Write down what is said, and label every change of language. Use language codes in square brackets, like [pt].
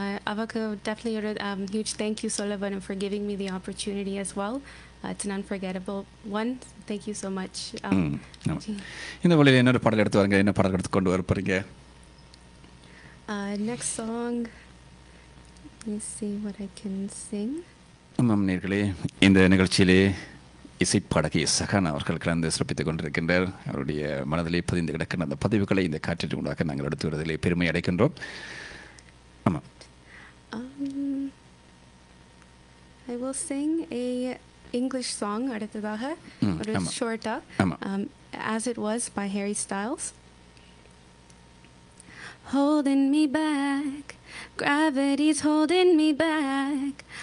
[ta] அவருக்கு டெஃபினிட்லி ஒரு huge thank you சொல்ல வேணும் [en] For giving me the opportunity as well It's an unforgettable one. Thank you so much. Next song. Let me see what I can sing. [ta] இசை பாடகி சகானா அவர்கள் கலந்து சிறப்பித்துக் கொண்டிருக்கின்றார். அவருடைய மனதிலே பதிந்து கிடக்கிற அந்த பதிவுகளை இந்த காற்றில் உண்டாக நாங்கள் எடுத்து வருவதிலே பெருமை அடைகின்றோம். ஆமாம். [en] I will sing a English song [ta] அடுத்ததாக. [en] It was short up. As it was by Harry Styles. Holding me back, gravity's holding me back.